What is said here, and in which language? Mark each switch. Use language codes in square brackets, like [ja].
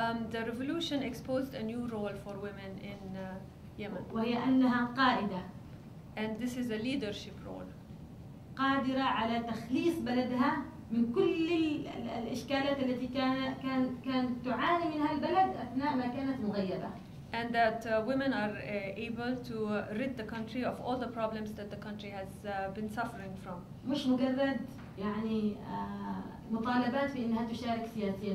[en] The revolution exposed a new role for women in Yemen. [ar] وهي أنها قائدة. [en] And this is a leadership role. [ar] قادرة على تخليص بلدها من كل الإشكالات التي كانت تعاني منها البلد أثناء ما كانت مغيبة. [en] And that women are able to rid the country of all the problems that the country has been suffering from. [ar] مش مجرد يعني مطالبات في إنها تشارك سياسياً.